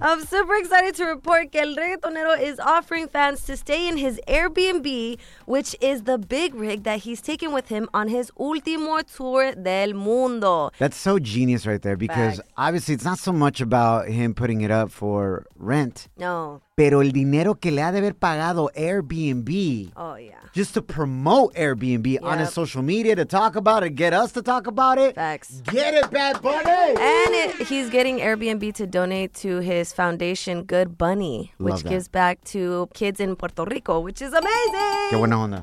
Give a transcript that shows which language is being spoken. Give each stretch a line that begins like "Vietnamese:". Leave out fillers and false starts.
English: I'm super excited to report
Spanish: que el reggaetonero
English: is offering fans to stay in his Airbnb, which is the big rig that he's taking with him on his
Spanish: último tour del mundo.
English: That's so genius right there because obviously it's not so much about him putting it up for rent. No.
Spanish: Pero el dinero que le ha de haber pagado Airbnb. Oh, yeah.
English: Just to promote Airbnb on his social media, to talk about it, get us to talk about it. Facts. Get it, Bad Bunny! And he's getting Airbnb to donate to his foundation, Good Bunny, which gives back to kids in Puerto Rico, which is amazing!
Spanish: Qué buena onda.